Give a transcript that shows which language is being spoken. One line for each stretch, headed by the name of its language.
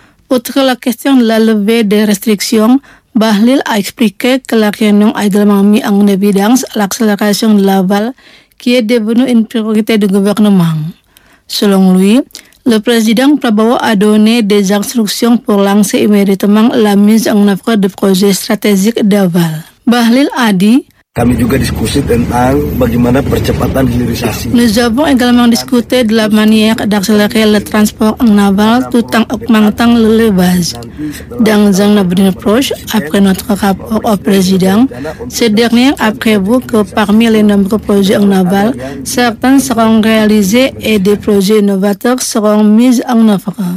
French: Outre la question de la levée des restrictions, Bahlil a expliqué que la réunion a également mis en évidence l'accélération de l'aval qui est devenue une priorité du gouvernement. Selon lui, le président Prabowo a donné des instructions pour lancer immédiatement la mise en œuvre de projets stratégiques d'aval. Bahlil a dit:
Indonesian: Kami juga diskusi tentang bagaimana percepatan hilirisasi.
French: Nous avons également discuté de la manière d'accélérer le transport naval tout en augmentant le levage. Dans un avenir proche, après notre rapport au président, ce dernier a prévu que parmi les nombreux projets navals, certains seront réalisés et des projets innovateurs seront mis en œuvre.